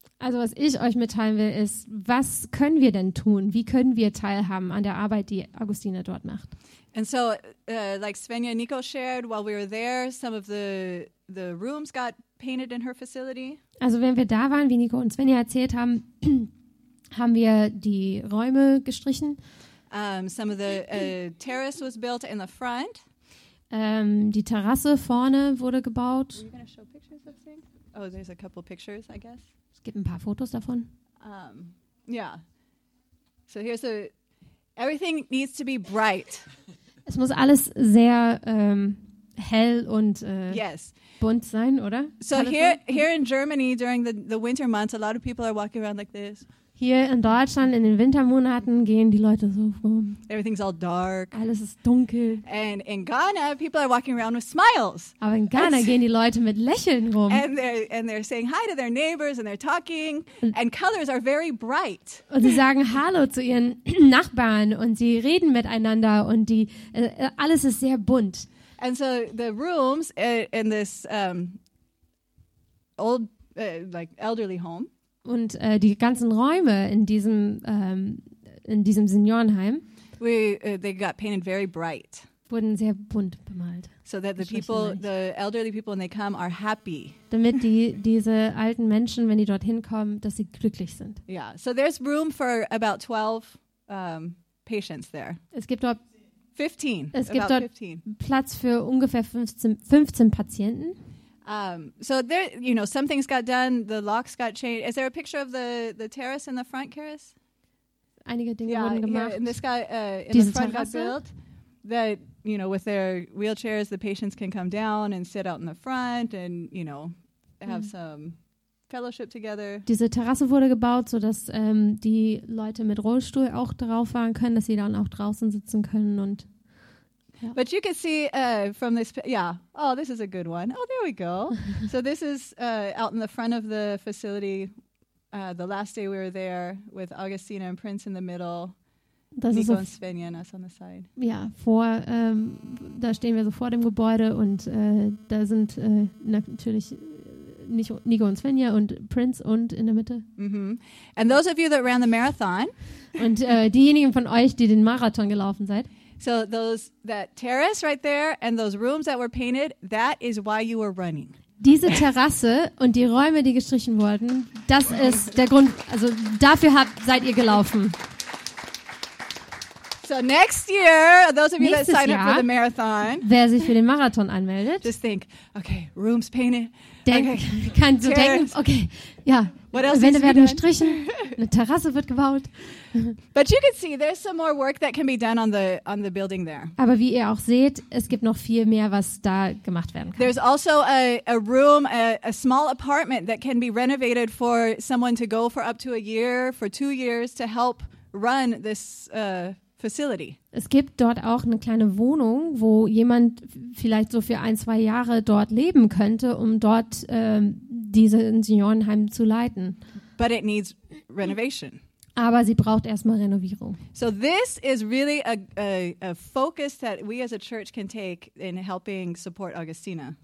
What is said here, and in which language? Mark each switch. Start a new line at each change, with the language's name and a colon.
German: Also was ich euch mitteilen will, ist, was können wir denn tun? Wie können wir teilhaben an der Arbeit, die Augustina dort macht?
English: And so, like Svenja and Nico shared, while we were there, some of the rooms got painted in her facility.
German: Also wenn wir da waren, wie Nico und Svenja erzählt haben, haben wir die Räume gestrichen.
English: Some of the terrace was built in the front.
German: Die Terrasse vorne wurde gebaut.
English: Are you gonna show pictures of things? Oh, there's a couple pictures, I guess.
German: Gibt ein paar Fotos davon.
English: Yeah. So here's the. Everything needs to be bright.
German: Es muss alles sehr hell und
English: yes.
German: Bunt sein, oder?
English: So here in Germany during the winter months, a lot of people are walking around like this.
German: Hier in Deutschland in den Wintermonaten gehen die Leute so rum.
English: Everything's all dark.
German: Alles ist dunkel.
English: And in Ghana, people are walking around with smiles.
German: Aber in Ghana gehen die Leute mit Lächeln rum.
English: And they're saying hi to their neighbors and they're talking. And colors are very bright.
German: Und sie sagen Hallo zu ihren Nachbarn und sie reden miteinander und die alles ist sehr bunt.
English: And so the rooms in this old like elderly home.
German: Und die ganzen Räume in diesem Seniorenheim
English: They got painted very bright.
German: Wurden sehr bunt bemalt.
English: So that the people, the elderly people when they come are happy.
German: Damit diese alten Menschen, wenn die dorthin kommen, dass sie glücklich sind.
English: Yeah, so there's room for about 12 patients there.
German: Es gibt dort 15. Es gibt dort 15. Platz für ungefähr 15 Patienten.
English: So there, you know, some things got done. The locks got changed. Is there a picture of the terrace in the front, Karis?
German: Einige Dinge wurden gemacht.
English: Yeah, and this guy in the front got built. That, you know, with their wheelchairs, the patients can come down and sit out in the front and, you know, have some fellowship together.
German: Diese Terrasse wurde gebaut, sodass die Leute mit Rollstuhl auch drauf fahren können, dass sie dann auch draußen sitzen können und...
English: Yeah. But you can see from this, oh, this is a good one. Oh, there we go. So this is out in the front of the facility, the last day we were there with Augustina and Prince in the middle, das Nico und Svenja and us on the side.
German: Ja, da stehen wir so vor dem Gebäude und da sind natürlich Nico und Svenja und Prince und in der Mitte. Mm-hmm.
English: And those of you that ran the marathon.
German: Und diejenigen von euch, die den Marathon gelaufen seid.
English: So those that terrace right there and those rooms that were painted, that is why you were running.
German: Diese Terrasse und die Räume, die gestrichen wurden, das ist der Grund, also dafür seid ihr gelaufen.
English: So next year, those of you
German: Nächstes
English: that sign
German: Jahr,
English: up for the marathon,
German: wer sich für den Marathon anmeldet,
English: just think, okay, rooms painted.
German: Kann so denken, okay, ja.
English: What else
German: Wände werden gestrichen, eine Terrasse wird gebaut.
English: But you can see, there's some more work that can be done on the building there.
German: Aber wie ihr auch seht, es gibt noch viel mehr, was da gemacht werden kann.
English: There's also a room, a small apartment that can be renovated for someone to go for up to a year, for 2 years to help run this facility.
German: Es gibt dort auch eine kleine Wohnung, wo jemand vielleicht so für 1-2 Jahre dort leben könnte, um dort diesen Seniorenheim zu leiten.
English: But it needs renovation.
German: Aber sie braucht erstmal Renovierung.
English: So this is really a focus that we as a church can take in helping support Augustina.